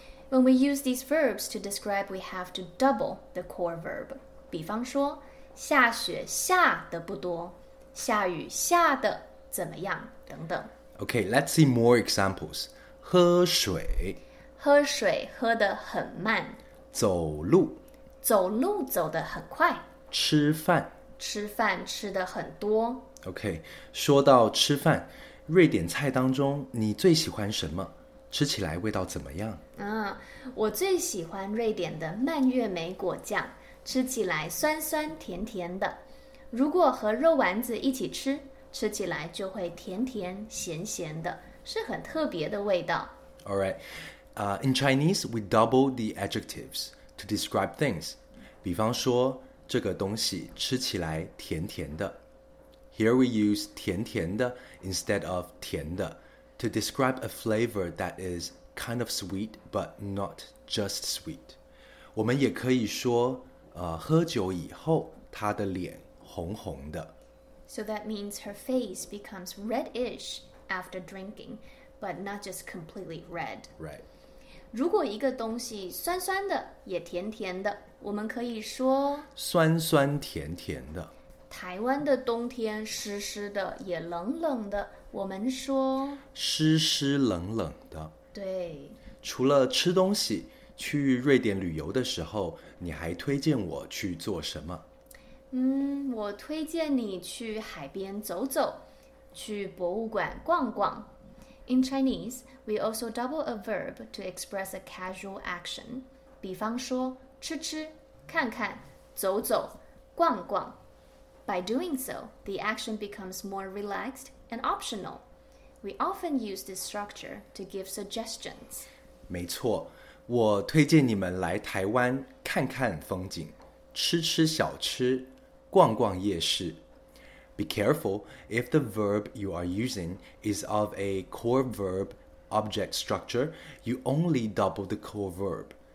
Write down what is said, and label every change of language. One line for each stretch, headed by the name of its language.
English: When we use these verbs to describe, we have to double the core verb.
Chinese: 比方说, 下雪下的不多, 下雨下的怎么样, 等等。
English: Okay, let's see more examples.
Chinese: 喝水, 喝水喝得很慢。走路。走路走得很快。吃饭。吃饭吃得很多。 OK, 说到吃饭，瑞典菜当中你最喜欢什么？吃起来味道怎么样？我最喜欢瑞典的蔓越莓果酱，吃起来酸酸甜甜的。如果和肉丸子一起吃，吃起来就会甜甜咸咸的，是很特别的味道。
English: All right. In Chinese, we double the adjectives. To describe things,
Chinese: 比方说这个东西吃起来甜甜的。
English: Here we use 甜甜的 instead of 甜的 to describe a flavor that is kind of sweet but not just sweet.
Chinese: 我们也可以说喝酒以后她的脸红红的。
English: So that means her face becomes reddish after drinking, but not just completely red. Right.
Chinese: 如果一个东西酸酸的也甜甜的，我们可以说酸酸甜甜的。台湾的冬天湿湿的也冷冷的，我们说湿湿冷冷的。对，除了吃东西，去瑞典旅游的时候你还推荐我去做什么？我推荐你去海边走走，去博物馆逛逛。
English: In Chinese, we also double a verb to express a casual action.
Chinese: 比方说，吃吃，看看，走走，逛逛。
English: By doing so, the action becomes more relaxed and optional. We often use this structure to give suggestions.
Chinese: 没错，我推荐你们来台湾看看风景，吃吃小吃，逛逛夜市。
English: Be careful if the verb you are using is of a core verb object structure, you only double the core verb.